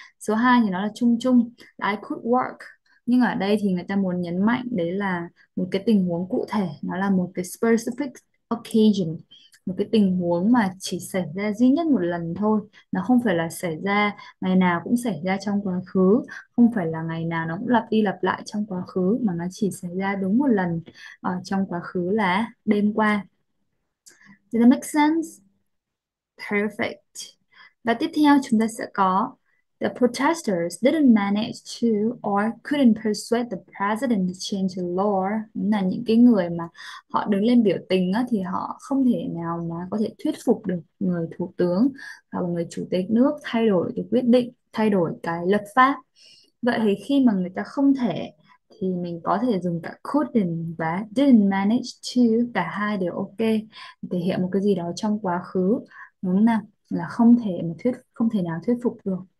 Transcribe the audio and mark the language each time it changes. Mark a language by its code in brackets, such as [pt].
[vi] Số 2 thì nó là chung chung, là [en] I could work. [vi] Nhưng ở đây thì người ta muốn nhấn mạnh đấy là một cái tình huống cụ thể, nó là một cái specific occasion, một cái tình huống mà chỉ xảy ra duy nhất một lần thôi. Nó không phải là xảy ra ngày nào cũng xảy ra trong quá khứ, không phải là ngày nào nó cũng lặp đi lặp lại trong quá khứ, mà nó chỉ xảy ra đúng một lần ở trong quá khứ là đêm qua. [en] Does that make sense? Perfect. [vi] Và tiếp theo chúng ta sẽ có [en] the protesters didn't manage to or couldn't persuade the president to change the law. [vi] Là những cái người mà họ đứng lên biểu tình á, thì họ không thể nào mà có thể thuyết phục được người thủ tướng hoặc người chủ tịch nước thay đổi cái quyết định, thay đổi cái luật pháp. Vậy thì khi mà người ta không thể thì mình có thể dùng cả couldn't và didn't manage to, cả hai đều ok, thể hiện một cái gì đó trong quá khứ, đúng nào, là không thể mà thuyết không thể nào thuyết phục được.